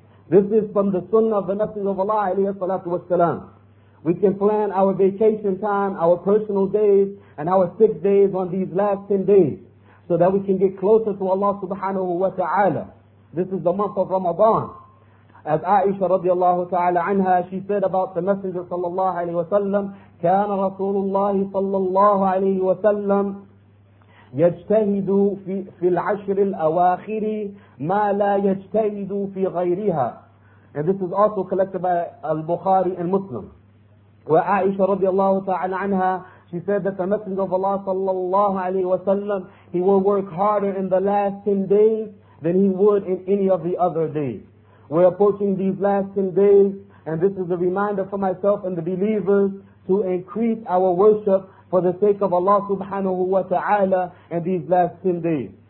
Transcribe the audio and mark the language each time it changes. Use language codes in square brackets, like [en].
[en] This is from the sunnah of the Messenger of Allah alayhi salatu wasalam. We can plan our vacation time, our personal days, and our sick days on these last 10 days so that we can get closer to Allah subhanahu wa ta'ala. This is the month of Ramadan. As Aisha radiallahu ta'ala anha, she said about the Messenger sallallahu alayhi wa sallam, [ar] كان رسول الله صلى الله عليه وسلم يجتهد في العشر الأواخر ما لا يجتهد في غيرها. [en] And this is also collected by Al-Bukhari and Muslim. [ar] وعائشة رضي الله تعالى عنها, [en] she said that the Messenger of Allah [ar] صلى الله عليه وسلم, [en] he will work harder in the last 10 days than he would in any of the other days. We're approaching these last 10 days, and this is a reminder for myself and the believers to increase our worship for the sake of Allah subhanahu wa ta'ala in these last 10 days.